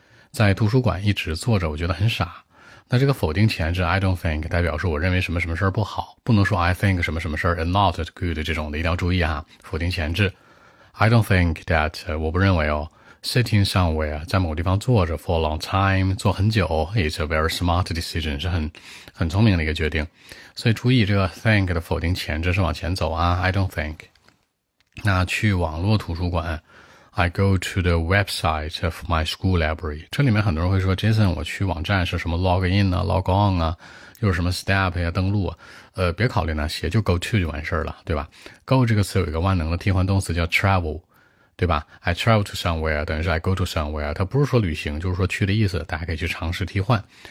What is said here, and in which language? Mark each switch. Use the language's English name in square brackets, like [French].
[Chinese] 在图书馆一直坐着我觉得很傻，那这个否定前置 I don't think 代表说我认为什么什么事不好，不能说 I think 什么什么事 and not good 这种的，一定要注意啊，否定前置 [English] I don't think that [Chinese] 我不认为哦，Sitting somewhere, 在某地方坐着 [English] for a long time, [Chinese] 坐很久 [English] is a very smart decision, [Chinese] 是很聪明的一个决定。所以注意这个 think 的否定前置是往前走啊， I don't think. 那去网络图书馆， [English] I go to the website of my school library. [Chinese] 这里面很多人会说 Jason, 我去网站是什么 log in 啊， log on 啊，又是什么 step 啊，登录啊。别考虑那些，就 go to 就完事了，对吧？go 这个词有一个万能的替换动词叫 travel。对吧 ？ [English] I travel to somewhere [Chinese] 等于是 [English] I go to somewhere, [Chinese] 它不是说旅行，就是说去的意思，大家可以去尝试替换。